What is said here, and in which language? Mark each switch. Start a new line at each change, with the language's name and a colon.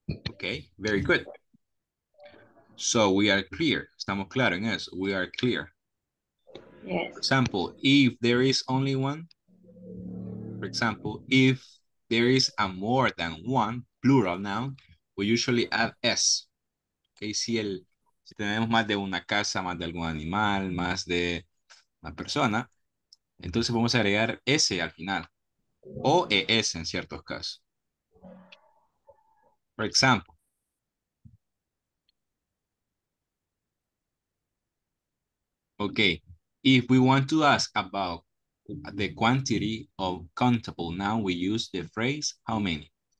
English: Okay, very good. So we are clear.
Spanish: Estamos claros en eso.
English: We are clear. Yes. Example, if there is only one. For example, if there is a more than one plural noun, we usually add S.
Spanish: Okay, si tenemos más de una casa, más de algún animal, más de una persona, entonces vamos a agregar S al final. O ES en ciertos casos.
English: For example, okay, if we want to ask about the quantity of countable noun, we use the phrase, how many?